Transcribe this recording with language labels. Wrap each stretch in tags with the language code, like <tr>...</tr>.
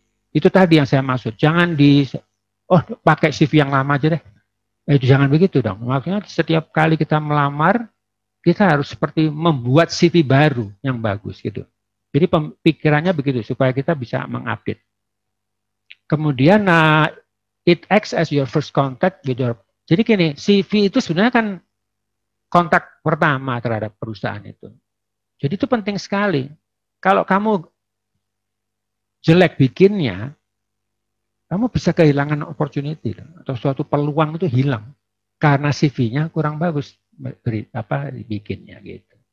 <id>Itu tadi yang saya maksud. Jangan pakai CV yang lama aja deh. Itu jangan begitu dong. Maksudnya setiap kali kita melamar, kita harus seperti membuat CV baru yang bagus gitu. Jadi pemikirannya begitu, supaya kita bisa mengupdate.</id> <en>Kemudian, it acts as your first contact with your...</en> <id>Jadi gini, CV itu sebenarnya kan kontak pertama terhadap perusahaan itu. Jadi itu penting sekali. Kalau kamu jelek bikinnya, kamu bisa kehilangan opportunity atau suatu peluang itu hilang karena CV-nya kurang bagus bikinnya gitu.</id>